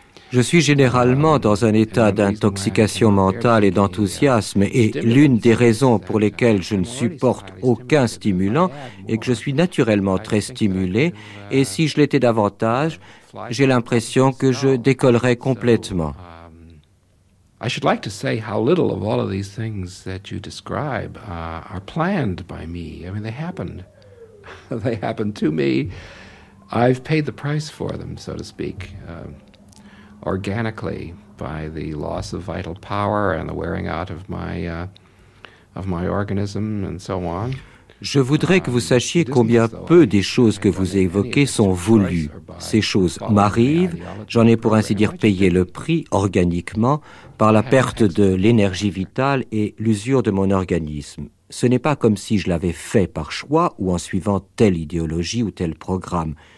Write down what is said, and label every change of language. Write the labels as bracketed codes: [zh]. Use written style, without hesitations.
[fr] Je suis généralement dans un état d'intoxication mentale et d'enthousiasme, et l'une des raisons pour lesquelles je ne supporte aucun stimulant est que je suis naturellement très stimulé, et si je l'étais davantage, j'ai l'impression que je décollerais complètement. [en] I should like to say how little of all of these things that you describe are planned by me. I mean, they happen. They happen to me. I've paid the price for them, so to speak. Organically, by the loss of vital power and the wearing out of my organism, and so on. [fr] Je voudrais que vous sachiez combien peu des choses que vous évoquez sont voulues. Ces choses m'arrivent, j'en ai pour ainsi dire payé le prix organiquement par la perte de l'énergie vitale et l'usure de mon organisme. Ce n'est pas comme si je l'avais fait par choix ou en suivant telle idéologie ou tel programme.